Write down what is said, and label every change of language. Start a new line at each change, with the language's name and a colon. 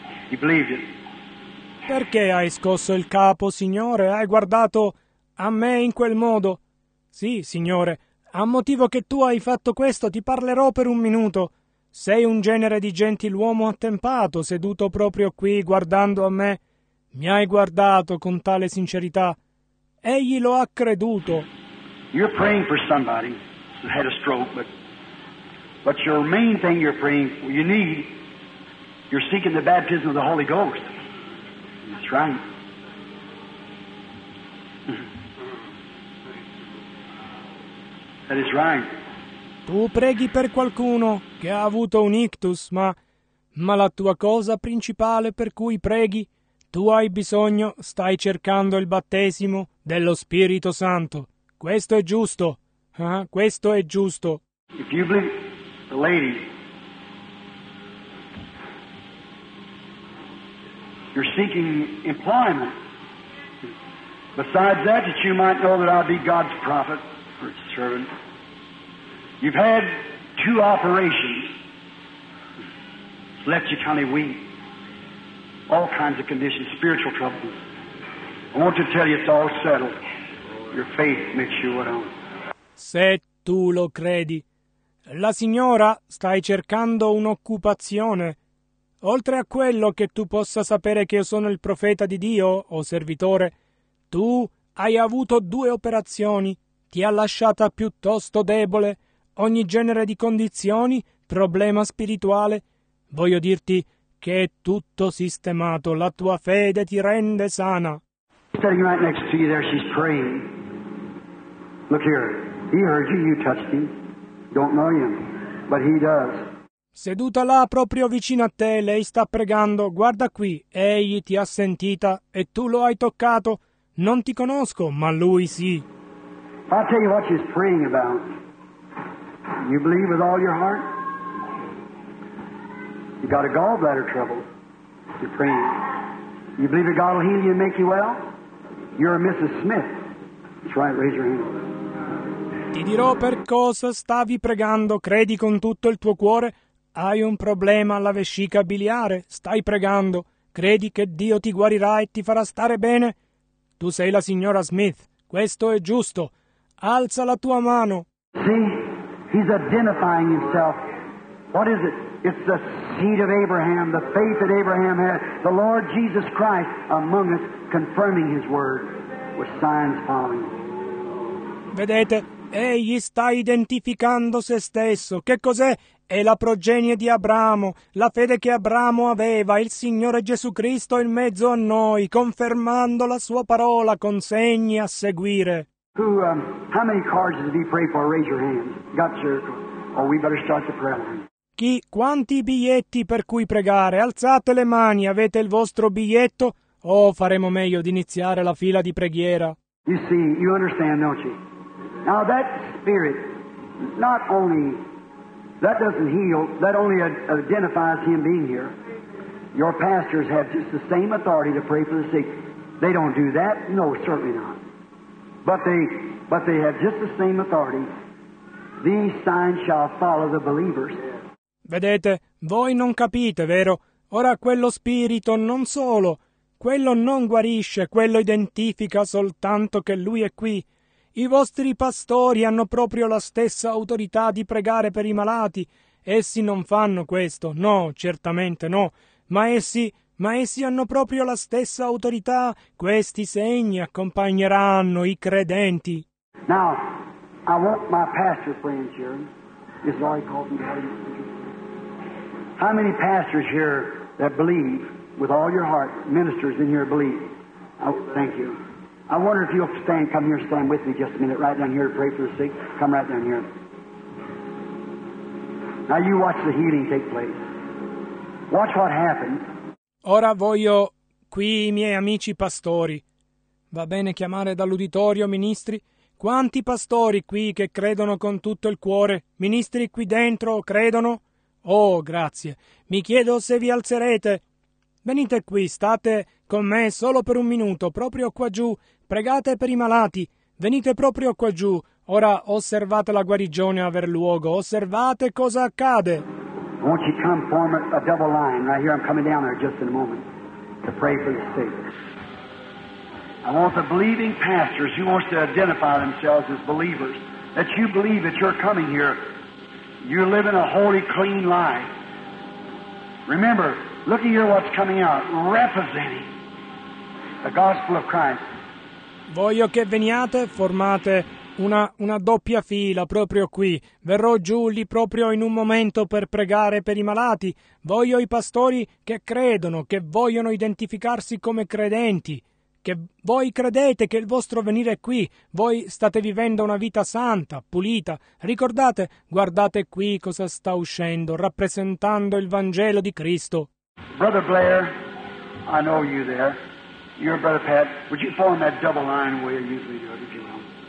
English: He believed it.
Italian: Perché hai scosso il capo, signore? Hai guardato a me in quel modo? Sì, signore. A motivo che tu hai fatto questo, ti parlerò per un minuto. Sei un genere di gentiluomo attempato, seduto proprio qui, guardando a me. Mi hai guardato con tale sincerità. Egli lo ha creduto.
English: You're praying for somebody who had a stroke, but your main thing you're praying, you need, you're seeking the baptism of the Holy Ghost. That's right. That is right.
Italian: Tu preghi per qualcuno che ha avuto un ictus, ma la tua cosa principale per cui preghi, tu hai bisogno, stai cercando il battesimo dello Spirito Santo. Questo è giusto. Questo è giusto.
English: If you believe the lady, you're seeking employment. Besides that, that you might know that I'd be God's prophet or servant. You've had two operations. Left you kind of weak. All kinds of conditions, spiritual troubles. I want to tell you it's all settled. Your faith makes you well.
Italian: Se tu lo credi, la signora stai cercando un'occupazione. Oltre a quello che tu possa sapere che io sono il profeta di Dio o servitore, tu hai avuto due operazioni. Ti ha lasciata piuttosto debole. Ogni genere di condizioni, problema spirituale. Voglio dirti che è tutto sistemato. La tua fede ti rende sana.
English: Sitting right next to you there, she's praying. Look here. He heard you, you touched him. Don't know him, but he does.
Italian: Seduta là proprio vicino a te, lei sta pregando. Guarda qui, egli ti ha sentita e tu lo hai toccato. Non ti conosco, ma lui sì.
English: I'll tell you what she's praying about. You believe with all your heart? You got a gallbladder trouble. You're praying. You believe that God will heal you and make you well? You're a Mrs. Smith. That's right, raise your hand.
Italian: Ti dirò per cosa stavi pregando. Credi con tutto il tuo cuore? Hai un problema alla vescica biliare. Stai pregando. Credi che Dio ti guarirà e ti farà stare bene? Tu sei la signora Smith. Questo è giusto. Alza la tua mano.
English: See? He's identifying himself. What is it? It's the seed of Abraham, the faith that Abraham had, the Lord Jesus Christ among us, confirming his word with signs following.
Italian: Vedete, egli sta identificando se stesso. Che cos'è? È la progenie di Abramo, la fede che Abramo aveva, il Signore Gesù Cristo in mezzo a noi, confermando la sua parola con segni a seguire.
English: How many cards did he pray for? Raise your hand. Got your, or we better start the prayer line.
Italian: Chi, quanti biglietti per cui pregare? Alzate le mani, avete il vostro biglietto? Oh, faremo meglio di iniziare la fila di preghiera.
English: You see, you understand, don't you? Now that spirit, not only, that doesn't heal, that only identifies him being here. Your pastors have just the same authority to pray for the sick. They don't do that? No, certainly not. But they have just the same authority. These signs shall follow the believers.
Italian: Vedete, voi non capite, vero? Ora quello spirito non solo, quello non guarisce, quello identifica soltanto che lui è qui. I vostri pastori hanno proprio la stessa autorità di pregare per i malati. Essi non fanno questo, no, certamente no, ma essi hanno proprio la stessa autorità. Questi segni accompagneranno i credenti.
English: Now, I want my pastor friends here. This is why he called me. How many pastors here that believe with all your heart, ministers in here believe? Oh, thank you. I wonder if you'll stand, come here, stand with me just a minute, right down here to pray for the sick. Come right down here. Now you watch the healing take place. Watch what happens.
Italian: Ora voglio qui i miei amici pastori. Va bene chiamare dall'uditorio ministri? Quanti pastori qui che credono con tutto il cuore? Ministri qui dentro credono? Oh, grazie. Mi chiedo se vi alzerete. Venite qui, state con me solo per un minuto, proprio qua giù. Pregate per i malati. venite proprio qua giù. Ora osservate la guarigione aver luogo. Osservate cosa accade.
English: Won't you come form a double line right here? I'm coming down there just in a moment to pray for the sick. I want the believing pastors who wants to identify themselves as believers, that you believe that you're coming here. You're living a holy, clean life. Remember, look at here what's coming out, representing the gospel of Christ.
Italian: Voglio che veniate, formate una doppia fila proprio qui. Verrò giù lì proprio in un momento per pregare per i malati. Voglio i pastori che credono, che vogliono identificarsi come credenti. Che voi credete che il vostro venire è qui, voi state vivendo una vita santa, pulita. Ricordate, guardate qui cosa sta uscendo, rappresentando il Vangelo di Cristo.
English: Brother Blair, I know you there. You're Brother Pat. Would you form that double line where you usually do it, if you will?